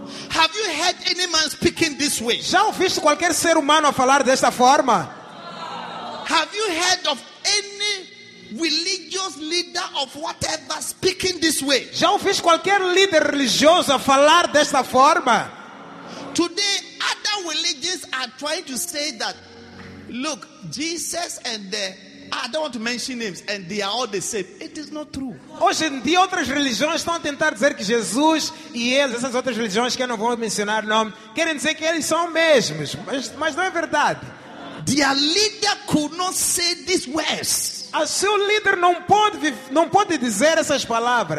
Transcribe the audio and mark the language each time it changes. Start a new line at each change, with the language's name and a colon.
English: Have you heard any man speaking this way?
Portuguese: Já ouviste qualquer ser humano a falar desta forma?
English: Have you heard of any religious leader of whatever speaking this way?
Portuguese: Já ouviste qualquer líder religioso a falar desta forma?
English: Today, other religions are trying to say that, look, Jesus and the, I don't want to mention names, and they are all the same. It is not true.
Portuguese: Hoje em dia, outras religiões estão a tentar dizer que Jesus e eles, essas outras religiões que eu não vou mencionar o nome, querem dizer que eles são mesmos, mas não é verdade.
English: Their leader could not say these words.
Portuguese: A seu líder não pode dizer essas palavras.